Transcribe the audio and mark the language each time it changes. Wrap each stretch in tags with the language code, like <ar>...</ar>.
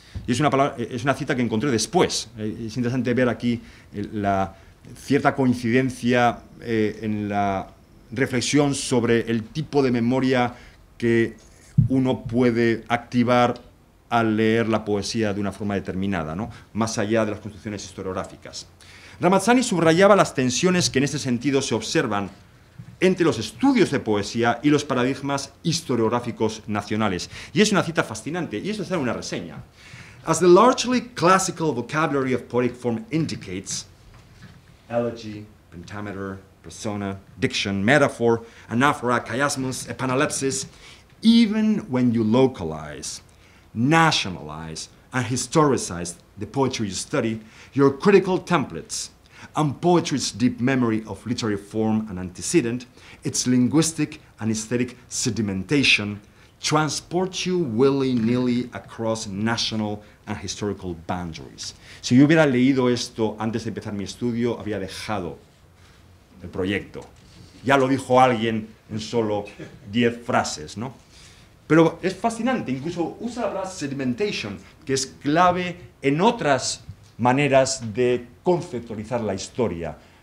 <es>Y es una cita que encontré después. Es interesante ver aquí la cierta coincidencia en la reflexión sobre el tipo de memoria que uno puede activar al leer la poesía de una forma determinada, ¿no? Más allá de las construcciones historiográficas. Ramazzani subrayaba las tensiones que en este sentido se observan entre los estudios de poesía y los paradigmas historiográficos nacionales. Y es una cita fascinante, y eso está en una reseña.</es> <en>As the largely classical vocabulary of poetic form indicates, elegy, pentameter, persona, diction, metaphor, anaphora, chiasmus, epanalepsis, even when you localize, nationalize, and historicize the poetry you study, your critical templates and poetry's deep memory of literary form and antecedent, its linguistic and aesthetic sedimentation, transport you willy-nilly across national and historical boundaries.</en> <es>Si yo hubiera leído esto antes de empezar mi estudio, habría dejado el proyecto. Ya lo dijo alguien en solo 10 frases, ¿no? Pero es fascinante, incluso usa la palabra sedimentation, que es clave en otras maneras de conceptualizar la historia.</es>